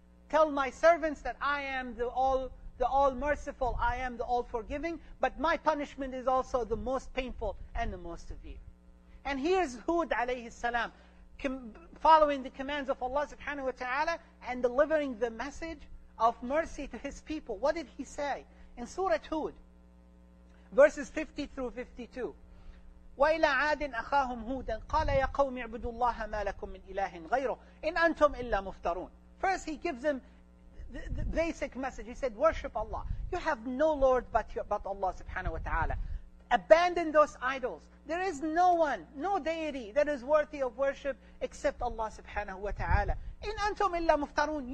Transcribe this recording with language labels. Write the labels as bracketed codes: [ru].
[en] Tell my servants that I am the all merciful, I am the all forgiving, but my punishment is also the most painful and the most severe. And here's Hud alayhi salam, following the commands of Allah subhanahu wa ta'ala and delivering the message of mercy to his people. What did he say? In Surah Hud, verses 50 through 52, [ar] وَإِلَىٰ عَادٍ أَخَاهُمْ هُودًا قَالَ يَا قَوْمِ اعْبُدُوا اللَّهَ مَا لَكُمْ مِنْ إِلَٰهٍ غَيْرُهُ إِنْ أَنْتُمْ إِلَّا مُفْتَرُونَ. [en] First he gives them the basic message. He said, worship Allah. You have no Lord but Allah subhanahu wa ta'ala. Abandon those idols. There is no one, no deity that is worthy of worship except Allah subhanahu wa ta'ala. [ar] إِنْ أَنْتُمْ إِلَّا مُفْتَرُونَ.